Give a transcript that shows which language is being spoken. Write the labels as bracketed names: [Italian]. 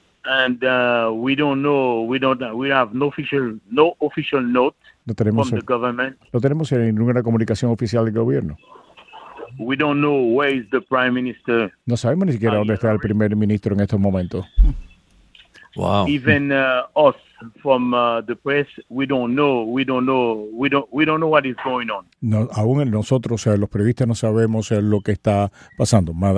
[English] And we don't know, we have no official note from the government. [Spanish] No tenemos ninguna comunicación oficial del gobierno. [English] We don't know where is the prime minister. [Spanish] No sabemos ni siquiera dónde está el primer ministro en estos momentos. [English] Wow. Even us from the press, we don't know what is going on. [Spanish] No, aún nosotros, los periodistas, no sabemos lo que está pasando.